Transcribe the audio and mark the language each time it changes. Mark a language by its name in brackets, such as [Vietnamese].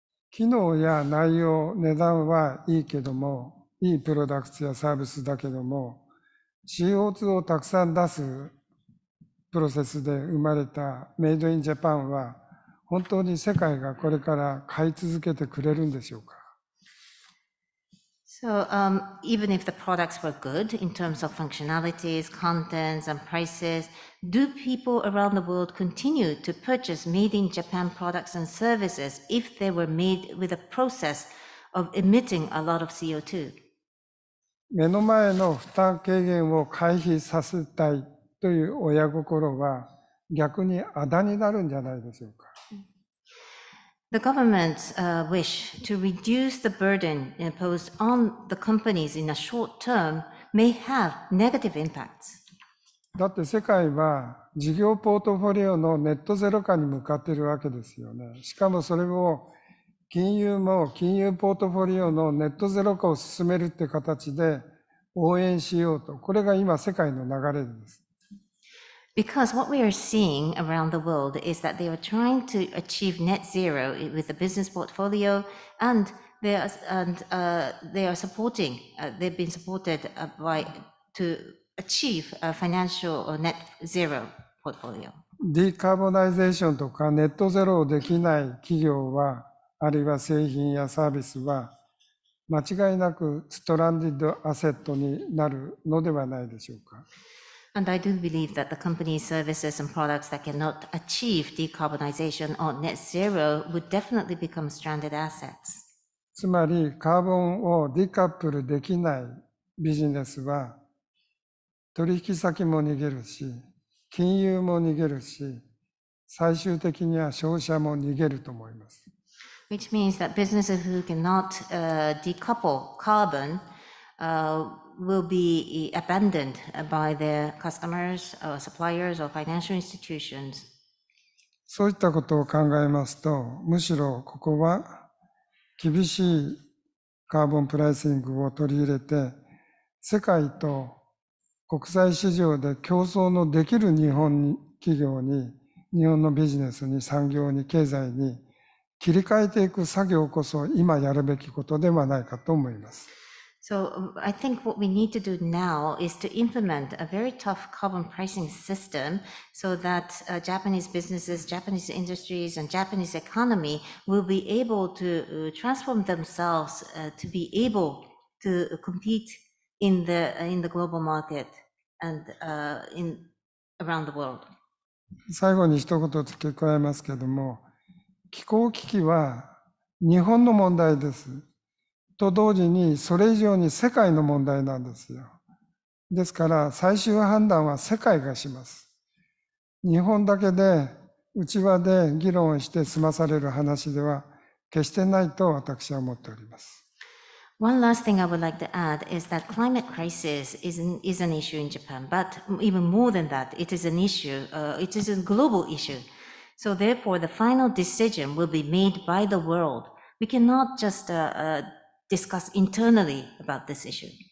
[Japanese] 機能や内容、値段はいいけども、いいプロダクツやサービスだけども、CO2 をたくさん出すプロセスで生まれたメイドインジャパンは本当に世界がこれから買い続けてくれるんでしょうか。 [English] So, even if the products were good in terms of functionalities, contents, and prices, do people around the world continue to purchase made in Japan products and services if they were made with a process of emitting a lot of CO2? [Japanese] 目の前の負担軽減を回避させたいという親心は逆にあだになるんじゃないでしょうか。 [English] The government's wish to reduce the burden imposed on the companies in a short term may have negative impacts. [Japanese] だって世界は事業ポートフォリオのネットゼロ化に向かっているわけですよね。しかもそれを金融も金融ポートフォリオのネットゼロ化を進めるって形で応援しようと、これが今世界の流れです。 [English] Because what we are seeing around the world is that they are trying to achieve net zero with the business portfolio, and they are supporting, they've been supported by to achieve a financial or net zero portfolio. [Japanese] ディカーボナイゼーションとかネットゼロをできない企業は、あるいは製品やサービスは、間違いなくストランディッドアセットになるのではないでしょうか。 [English] And I do believe that the company's services and products that cannot achieve decarbonization or net zero would definitely become stranded assets. [Japanese] つまり、カーボンをディカップルできないビジネスは、取引先も逃げるし、金融も逃げるし、最終的には消費者も逃げると思います。 [English] Which means that businesses who cannot decouple carbon will be abandoned by their customers or suppliers or financial institutions. [Japanese] そういったことを考えますと、むしろここは厳しいカーボンプライシングを取り入れて、世界と国際市場で競争のできる日本企業に、日本のビジネスに、産業に、経済に切り替えていく作業こそ今やるべきことではないかと思います。 [English] So I think what we need to do now is to implement a very tough carbon pricing system so that Japanese businesses, Japanese industries and Japanese economy will be able to transform themselves to be able to compete in the global market and in around the world. [Japanese] 最後に一言付け加えますけれども、気候危機は日本の問題です。と同時にそれ以上に世界の問題なんですよ。ですから最終判断は世界がします。日本だけで内輪で議論して済まされる話では決してないと私は思っております。 [English] One last thing I would like to add is that climate crisis is an issue in Japan, but even more than that, it is an issue, it is a global issue. So therefore, the final decision will be made by the world. We cannot just discuss internally about this issue.